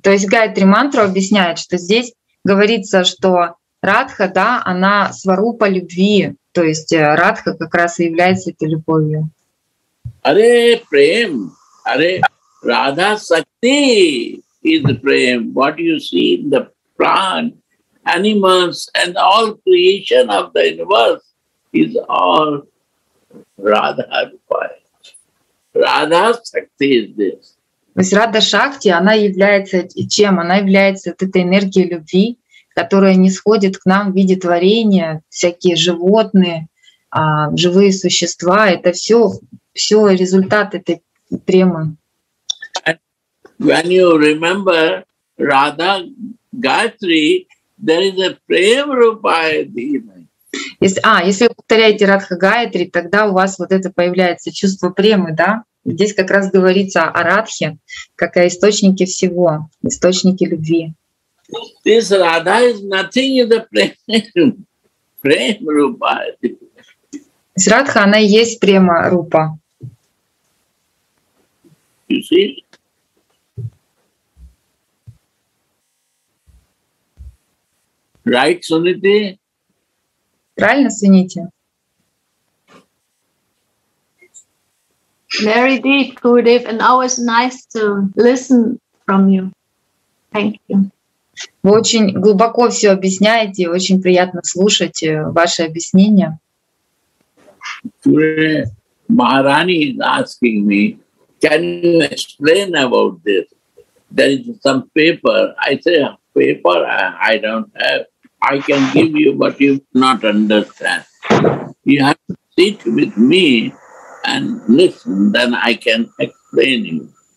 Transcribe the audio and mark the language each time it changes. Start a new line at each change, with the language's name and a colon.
Russian: То есть Гайатри мантра объясняет, что здесь говорится, что Радха, да, она сварупа любви. То есть Радха как раз и является этой любовью.
Hindi: Аре прем, аре Радха Сакти.
English: Is the prem, what you see in the plant, animals, and all creation of the universe is all Radha Rupayat. Radha Shakti is this.
Russian: То есть Радха Шакти, она является чем? Она является этой энергией любви, которая нисходит к нам в виде творения, всякие животные, живые существа. Это все результат этой премы.
English: When you remember Radha Gayatri, there is a Prem Rupaya Dhimahi.
Russian: Если вы повторяете Радха Гаятри, тогда у вас вот это появляется чувство премы, да? Здесь как раз говорится о Радхе, как о источнике всего, источнике любви.
English: This Radha is nothing is a Prem Rupaya Dhimahi.
Russian: Радха, она и есть Према Рупа.
English: You see? Right, Suniti?
Russian: Правильно, Суните?
English: Very deep, Gurudev, and always nice to listen from you. Thank you.
Russian: Вы очень глубоко все объясняете, очень приятно слушать ваши объяснения.
English: Today, Maharani is asking me, can you explain about this? There is some paper. I say, paper? I don't have. I can give you, but you not understand. You have to sit with me and listen, then I can explain you.